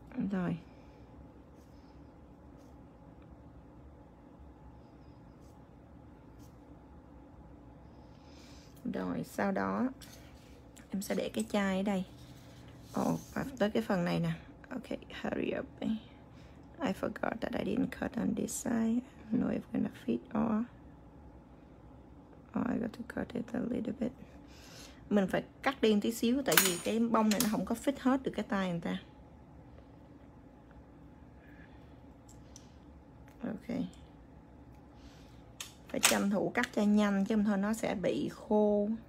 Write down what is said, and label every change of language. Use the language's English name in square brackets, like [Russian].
[Vietnamese] Rồi. Rồi, sau đó em sẽ để cái chai ở đây. Và tới cái phần này nè. [English] Ok, hurry up. I forgot that I didn't cut on this side. I don't know if it's gonna fit or I got to cut it a little bit. [Vietnamese] Mình phải cắt đi tí xíu tại vì cái bông này nó không có fit hết được cái tay người ta. Ok. Phải tranh thủ cắt cho nhanh chứ không thôi nó sẽ bị khô.